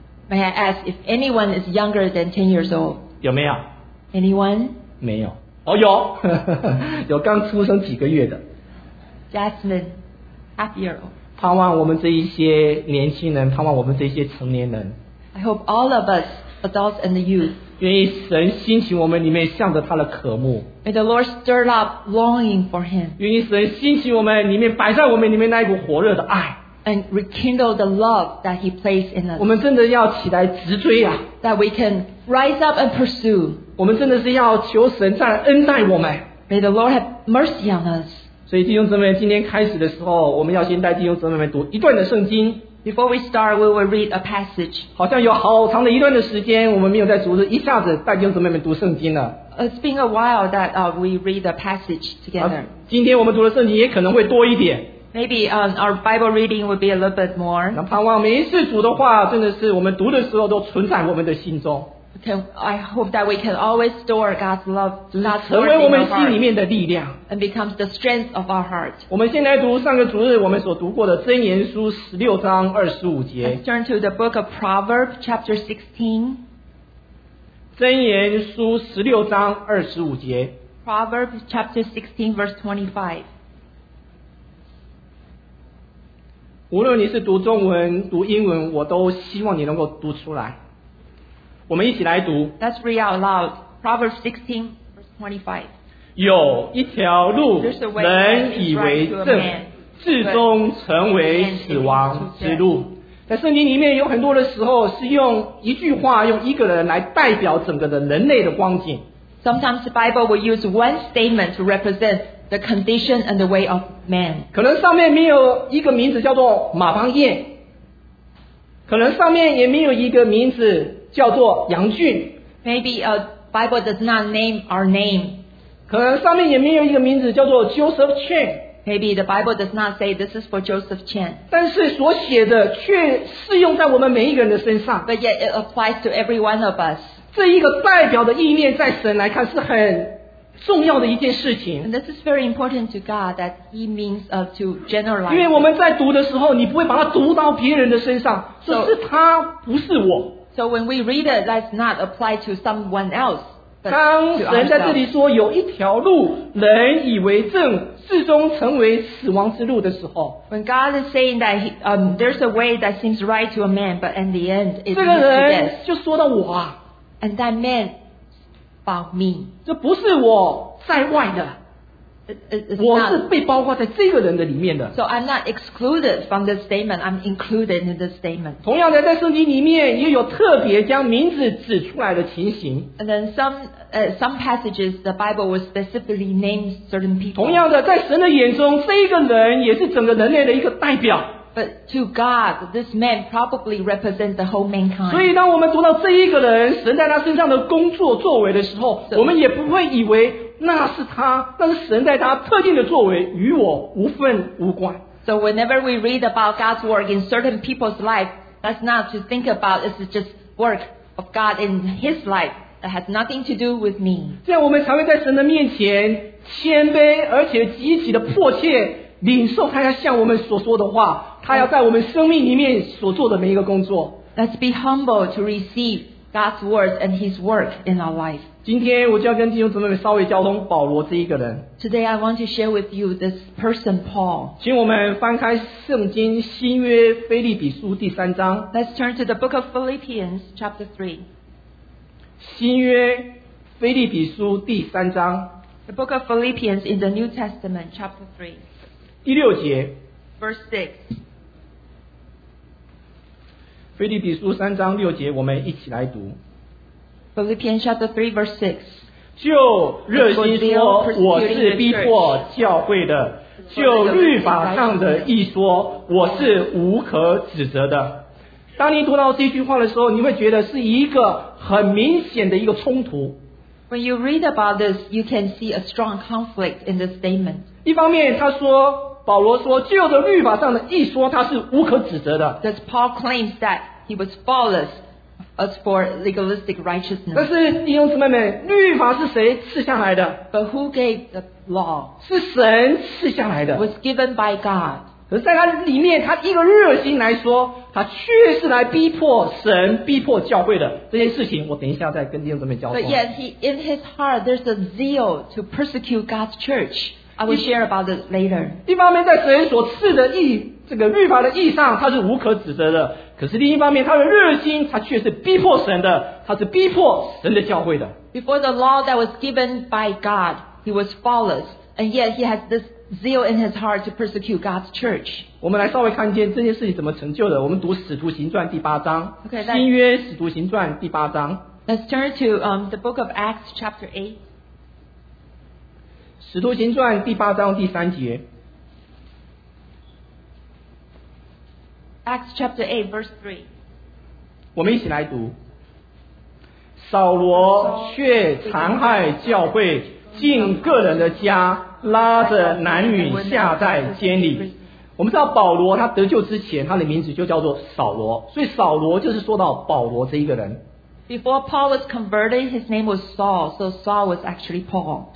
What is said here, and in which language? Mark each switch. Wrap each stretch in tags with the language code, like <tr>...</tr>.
<en>May I ask if anyone is younger than 10 years old?</en> <zh>有没有？</zh> <en>Anyone?</en> <zh>没有。哦，有，有刚出生几个月的。</zh> <en>Jasmine, half year old.</en> <zh>盼望我们这一些年轻人，盼望我们这些成年人。</zh> <en>I hope all of us, adults and the youth.</en> <zh>愿意神兴起我们里面向着他的渴慕。</zh> <en>May the Lord stir up longing for him.</en> <zh>愿意神兴起我们里面摆在我们里面那一股火热的爱。</zh> <en>and rekindle the love that He placed in us.</en> <zh>我们真的要起来直追啊！</zh> <en>That we can rise up and pursue.</en> <zh>我们真的是要求神再来恩待我们。</zh> <en>May the Lord have mercy on us.</en> <zh>所以弟兄姊妹，今天开始的时候，我们要先带弟兄姊妹们读一段的圣经。</zh> <en>Before we start, we will read a passage.</en> <zh>好像有好长的一段的时间，我们没有在主日一下子带弟兄姊妹们读圣经了。</zh> <en>It's been a while that we read the passage together.</en> <zh>今天我们读的圣经也可能会多一点。</zh> <en>Maybe our Bible reading will be a little bit more.</en> <zh>那盼望每一次主的话，真的是我们读的时候都存在我们的心中。</zh> <en>I hope that we can always store God's love, God's word in our heart.</en> <zh>成为我们心里面的力量。</zh> <en>And becomes the strength of our heart.</en> <zh>我们先来读上个主日我们所读过的箴言书十六章二十五节。</zh> <en>Let's turn to the book of Proverbs, chapter 16.</en> <zh>箴言书十六章二十五节。</zh> <en>Proverbs chapter 16 verse 25。</en> <zh>无论你是读中文、读英文，我都希望你能够读出来。我们一起来读。</zh> <en>Let's read out loud. Proverbs 16 verse 25.</en> <zh>有一条路，人以为正，至终成为死亡之路。在圣经里面有很多的时候是用一句话用一个人来代表整个的人类的光景。</zh> <en>Sometimes the Bible will use one statement to represent the condition and the way of man.</en> <zh>可能上面没有一个名字叫做马邦彦，可能上面也没有一个名字叫做杨俊。</zh> <en>Maybe a Bible does not name our name.</en> <zh>可能上面也没有一个名字叫做 Joseph Chan。</zh> <en>Maybe the Bible does not say this is for Joseph Chan.</en> <zh>但是所写的却适用在我们每一个人的身上。</zh> <en>But yet it applies to every one of us.</en> <zh>这一个代表的意念在神来看是很重要的一件事情。</zh> <en>And this is very important to God that He means to generalize.</en> <zh>因为我们在读的时候，你不会把它读到别人的身上，这是他，不是我。</zh> <en>So when we read it, that's not applied to someone else.</en> <zh>当神在这里说有一条路人以为正至终成为死亡之路的时候，</zh> <en>When God is saying that he, there's a way that seems right to a man but in the end it's death.</en> <zh>这个人就说到我啊，</zh> <en>And that man about me.</en> <zh>这不是我在外的，</zh> <en>it's not,</en> <zh>我是被包括在这个人的里面的。</zh> <en>So I'm not excluded from this statement, I'm included in this statement.</en> <zh>同样的在圣经里面也有特别将名字指出来的情形。</zh> <en>And then some passages the Bible will specifically name certain people.</en> <zh>同样的在神的眼中这个人也是整个人类的一个代表。</zh> <en>But to God, this man probably represents the whole mankind.</en> <zh>所以当我们读到这一个人神在他身上的工作作为的时候，我们也不会以为那是他，那是神在他特定的作为与我无分无关。</zh> <en>So whenever we read about God's work in certain people's life, that's not to think about it's just work of God in his life. It has nothing to do with me.</en> <zh>这样我们才会在神的面前谦卑，而且极其的迫切领受他要向我们所说的话，他要在我们生命里面所做的每一个工作。</zh> <en>Let's be humble to receive God's word and his work in our life.</en> <zh>今天我就要跟弟兄姊妹们稍微交通保罗这一个人。</zh> <en>Today I want to share with you this person Paul.</en> <zh>请我们翻开圣经新约腓立比书第三章。</zh> <en>Let's turn to the book of Philippians chapter 3.</en> <zh>新约腓立比书第三章。</zh> <en>The book of Philippians in the New Testament, chapter 3.</en> <zh>第六节。</zh> <en>Verse 6.</en> <zh>腓立比书三章六节，我们一起来读。</zh> <en>Philippians chapter 3, verse 6.</en> <zh>就热心说我是逼迫教会的，就律法上的义说我是无可指责的。当你读到这句话的时候，你会觉得是一个很明显的一个冲突。</zh> <en>When you read about this, you can see a strong conflict in this statement.</en> <zh>一方面，他说，保罗说，旧的律法上的义说他是无可指责的。</zh> <en>Thus Paul claims that he was faultless as for legalistic righteousness.</en> <zh>但是弟兄姊妹们，律法是谁赐下来的？</zh> <en>But who gave the law?</en> <zh>是神赐下来的。</zh> <en>Was given by God.</en> <zh>可是在他里面他一个热心来说他却是来逼迫神逼迫教会的，这件事情我等一下再跟弟兄姊妹交通。</zh> <en>But yet he, in his heart there's a zeal to persecute God's church. I will share about this later.</en> <zh>一方面在神所赐的义这个律法的义上他是无可指责的，可是另一方面他的热心他却是逼迫神的，他是逼迫神的教会的。</zh> <en>Before the law that was given by God he was faultless and yet he has this zeal in his heart to persecute God's church.</en> <zh>我们来稍微看见这件事情怎么成就的。我们读使徒行传第八章。</zh> <en>Okay,</en> <zh>新约使徒行传第八章。</zh> <en>Let's turn to the book of Acts chapter 8.</en> <zh>使徒行传第八章第三节。</zh> <en>Acts chapter 8 verse 3.</en> <zh>我们一起来读。扫罗却残害教会, 进个人的家, 拉着男女下在监里。我们知道保罗他得救之前, 他的名字就叫做扫罗, 所以扫罗就是说到保罗这一个人。</zh> <en>Before Paul was converted, his name was Saul, so Saul was actually Paul.</en>